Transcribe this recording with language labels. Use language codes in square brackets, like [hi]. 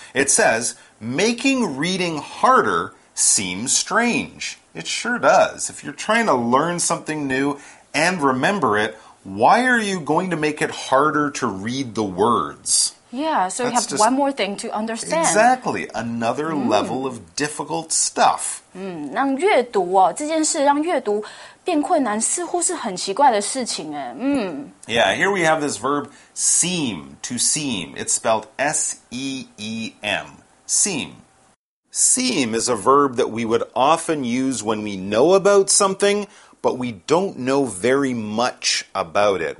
[en] It says, making reading harder seems strange. It sure does. If you're trying to learn something new and remember it, why are you going to make it harder to read the words? Yeah, so you have one more thing to understand. Exactly, another level of difficult stuff. [zh] 让阅读哦，这件事让阅读变困难，似乎是很奇怪的事情哎。 [en] Yeah, here we have this verb seem, to seem. It's spelled S-E-E-M, seem. Seem is a verb that we would often use when we know about something, but we don't know very much about it.